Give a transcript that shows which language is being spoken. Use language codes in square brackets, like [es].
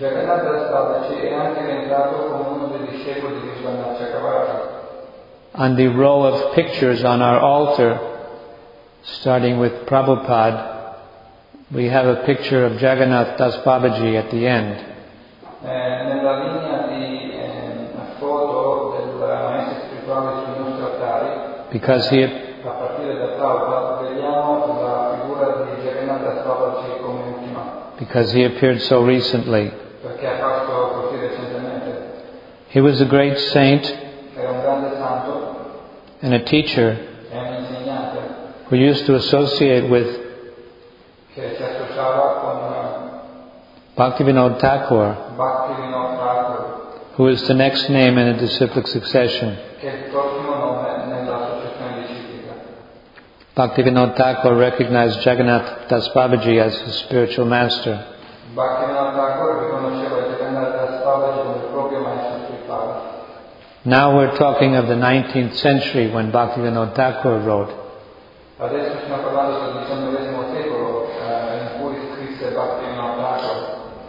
[it] Jagannath Das Babaji è anche entrato come uno dei discepoli di Vishwanath Chakravarti. [en] On the row of pictures on our altar, starting with Prabhupada, we have a picture of Jagannath Das Babaji at the end. [it] Nella linea di foto del maestro spirituale sui nostri altari, [en] because he, [it] a partire da Prabhupada, vediamo la figura di Jagannath Das Babaji come ultima. [en] Because he appeared so recently. [it] Perché è apparso così recentemente. [en] He was a great saint. [it] Era un grande santo. [en] And a teacher. [it] E un insegnante. [en] Who used to associate with. [it] Che si associava con. [en] Bhaktivinoda Thakur, [it] Bhaktivinoda Thakur, [en] who is the next name in the disciplic succession. [it] Che è il prossimo nome nella successione disciplica. [en] Bhaktivinoda Thakur recognized Jagannath Das Babaji as his spiritual master. [it] Bhaktivinoda Thakur riconosceva Jagannath Das Babaji come il proprio maestro spirituale. [en] Now we're talking of the 19th century when Bhaktivinoda Thakur wrote. [it] Adesso stiamo parlando del 19th secolo in cui scrisse Bhaktivinoda Thakur.